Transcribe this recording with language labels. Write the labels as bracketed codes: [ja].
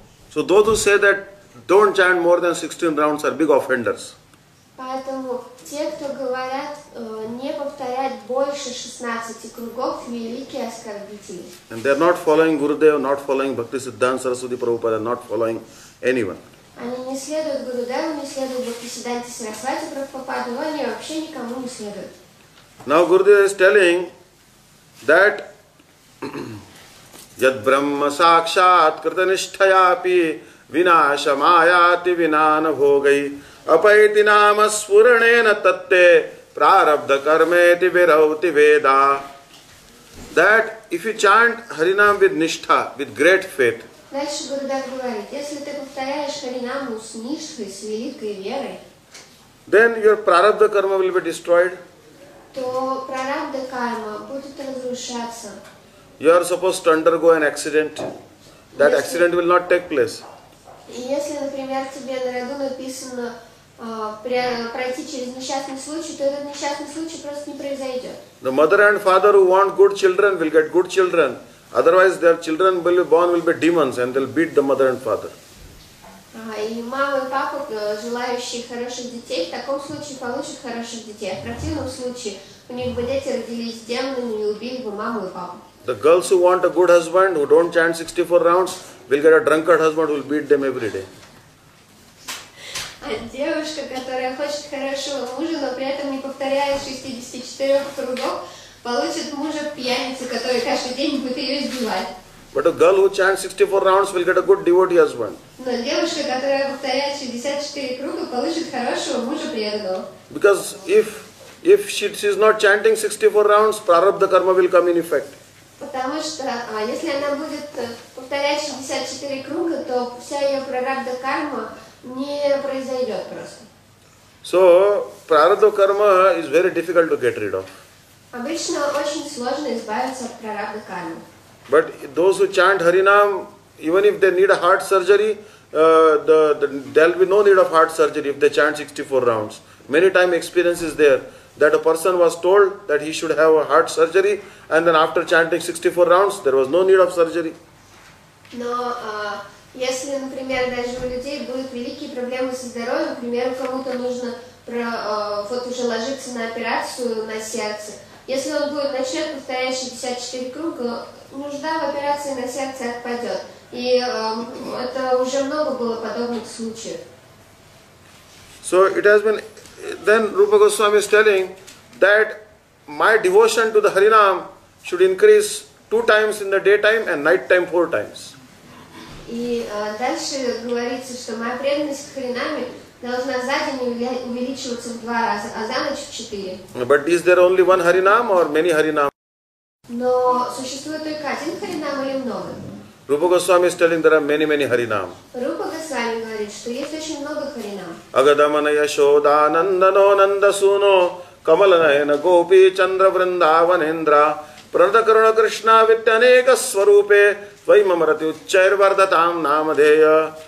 [en] So those who say that don't chant more than 16 rounds are big offenders. [ru] Поэтому те, кто говорят, не повторять больше 16 кругов, великие оскорбители. [en] And they are not following Gurudev, not following Bhakti Siddhanta Saraswati Prabhupada, not following anyone. [ru] Они не следуют Гурудеву, не следуют Бхакти Сиддханте Сарасвати Прабхупаду, они вообще никому не следуют. [en] Now Gurudev is telling that [sa] Yad Brahma Sakshat Krita Nishthayapi Vinasha Mayati Vinana Bhogai Apaiti nama spuranena tatte prarabdha karmeti virauti veda. [en] That if you chant Harinam with nishtha, with great faith. [ru] Дальше Гурудев говорит, если ты повторяешь Харинаму с ништхой, с великой верой, [en] then your prarabdha karma will be destroyed. [ru] То prarabdha karma будет разрушаться. [en] You are supposed to undergo an accident. That [ru] если, [en] accident will not take place. [ru] Если, например, тебе на роду написано пройти через несчастный случай, то этот несчастный случай просто не произойдет. [en] The mother and father who want good children will get good children. Otherwise, their children will be born will be demons and they'll beat the mother and father. [ru] и мама, и папа, желающие хороших детей, в таком случае получат хороших детей. А в противном случае у них бы дети родились демонами и убили бы маму и папу. [en] The girls who want a good husband, who don't chant 64 rounds, will get a drunkard husband who will beat them every day. [ru] А девушка, которая хочет хорошего мужа, но при этом не повторяет 64 трудов, получит мужа пьяницу, который каждый день будет ее избивать. [en] But a girl who chants 64 rounds will get a good devotee husband. [ru] Но девушка, которая повторяет 64 круга, получит хорошего мужа преданного. [en] Because if she is not chanting 64 rounds, prarabdha karma will come in effect. [ru] Потому что если она будет повторять 64 круга, то вся ее прарабдха карма не произойдет просто. [en] So prarabdha karma is very difficult to get rid of. [ru] Обычно очень сложно избавиться от прарабдха кармы. [en] But those who chant Harinam, even if they need a heart surgery, there will be no need of heart surgery if they chant 64 rounds. Many time experience is there that a person was told that he should have a heart surgery, and then after chanting 64 rounds, there was no need of surgery. No. [ru] Если, например, даже у людей будут великие проблемы со здоровьем, например, кому-то нужно вот уже ложиться на операцию на сердце. Если он будет начать повторять 64 круга, нужда в операции на сердце отпадет. И это уже много было подобных случаев. [en] So it has been, then Rupa Goswami is telling that my devotion to the Harinam should increase 2 times in the daytime and night time 4 times. [ru] И дальше говорится, что моя преданность к Харинаме должна за день увеличиваться в 2 раза, а за ночь в 4. [en] But is there only one Harinam or many Harinam? [ru] Но существует только один Харинам или много? [en] Rupa Goswami is telling there are many, many Harinam. [ru] Rupa Goswami говорит, что есть очень много Харинам. [sa] Агадамана Яшода Нандано Нанда Суно Камаланаяна Гопи Чандра Вриндаванендра Прадакарана Кришна Витянека Сварупе Ваймамарати Учайрвардатам Намадея.